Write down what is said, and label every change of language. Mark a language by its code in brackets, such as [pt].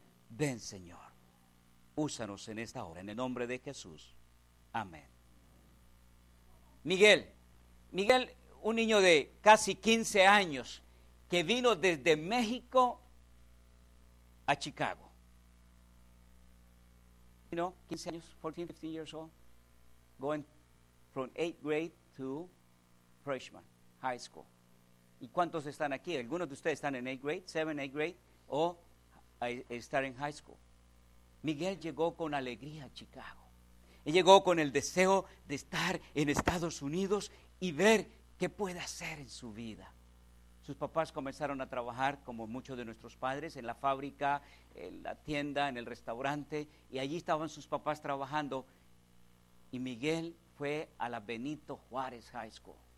[es] Ven, Señor, úsanos en esta hora, en el nombre de Jesús. Amén. Miguel, un niño de casi 15 años, que vino desde México a Chicago. [en] You know, [es] 15 años, [en] 14, 15 years old, going from 8th grade to freshman, high school. [es] ¿Y cuántos están aquí? ¿Algunos de ustedes están en [en] 8th grade, 7th, 8th grade, [es] o están en high school? Miguel llegó con alegría a Chicago. Él llegó con el deseo de estar en Estados Unidos y ver qué puede hacer en su vida. Sus papás comenzaron a trabajar, como muchos de nuestros padres, en la fábrica, en la tienda, en el restaurante, y allí estaban sus papás trabajando, y Miguel fue a la Benito Juárez High School.